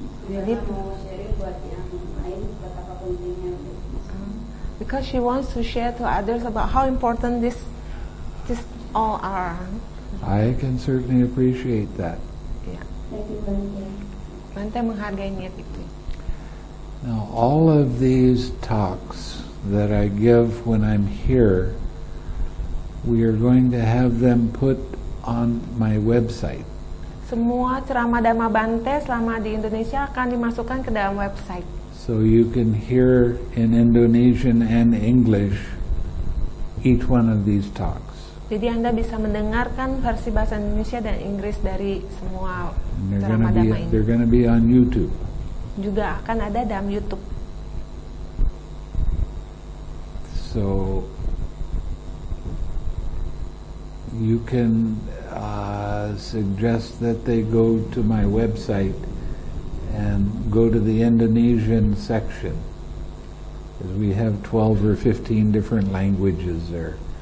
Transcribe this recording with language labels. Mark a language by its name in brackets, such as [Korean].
[Indonesian] Jadi mau sharing buat yang lain betapa pentingnya. [English] Because she wants to share to others about how important this all are. I can certainly appreciate that. Yeah. Thank you, Bante. [Indonesian] Bante menghargai niat itu. [English] Now all of these talks that I give when I'm here, we are going to have them put on my website. [Indonesian] Semua ceramah Dhamma Bante selama di Indonesia akan dimasukkan ke dalam website. [English] So you can hear in Indonesian and English each one of these talks. [Indonesian] Jadi Anda bisa mendengarkan versi bahasa Indonesia dan Inggris dari semua ceramah Dhamma ini. [English] They're going to be on YouTube. [Indonesian] Juga akan ada dalam YouTube. [English] So you can suggest that they go to my website and go to the Indonesian section, because we have 12 or 15 different languages there.